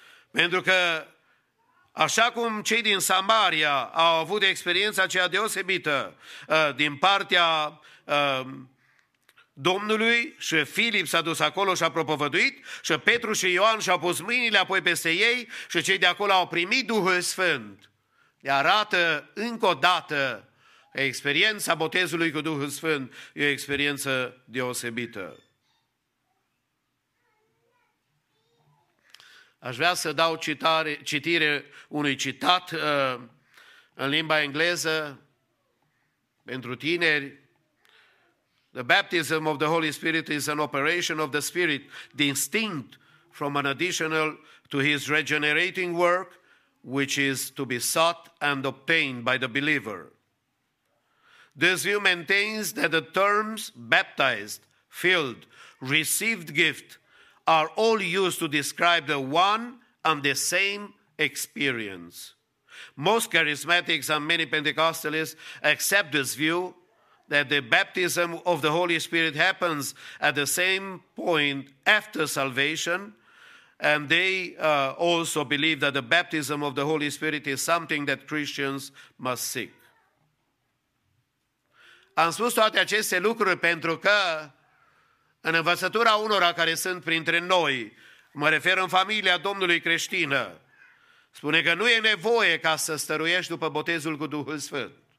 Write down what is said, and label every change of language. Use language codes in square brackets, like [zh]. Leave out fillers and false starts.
[ro] Pentru că, așa cum cei din Samaria au avut experiența aceea deosebită din partea Domnului și Filip s-a dus acolo și a propovăduit și Petru și Ioan și-au pus mâinile apoi peste ei și cei de acolo au primit Duhul Sfânt, ne arată încă o dată experiența botezului cu Duhul Sfânt e o experiență deosebită. Aș vrea să dau citire unui citat în limba engleză pentru tineri. [en] The baptism of the Holy Spirit is an operation of the Spirit distinct from an additional to his regenerating work, which is to be sought and obtained by the believer. This view maintains that the terms baptized, filled, received gift are all used to describe the one and the same experience. Most charismatics and many Pentecostalists accept this view that the baptism of the Holy Spirit happens at the same point after salvation, and they also believe that the baptism of the Holy Spirit is something that Christians must seek. [ro] Am spus toate aceste lucruri pentru că în învățătura unora care sunt printre noi, mă refer în familia Domnului creștină, spune că nu e nevoie ca să stăruiești după botezul cu Duhul Sfânt.